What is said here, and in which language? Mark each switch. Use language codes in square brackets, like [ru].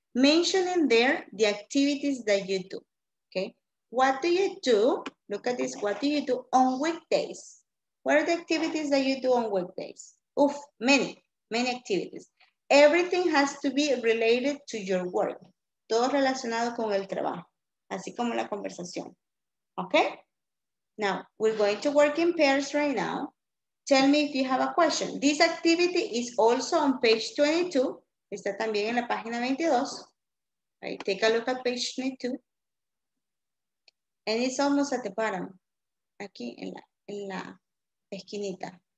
[en] Mentioning there the activities that you do, okay? What do you do? Look at this, what do you do on weekdays? What are the activities that you do on weekdays? Oof, many, many activities. Everything has to be related to your work. [es] Todo relacionado con el trabajo, así como la conversación, okay? [en] Now, we're going to work in pairs right now. Tell me if you have a question. This activity is also on page 22. [es] Está también en la página 22. [en] Right, take a look at page 22. And it's almost at the bottom. [es] Aquí en la esquinita.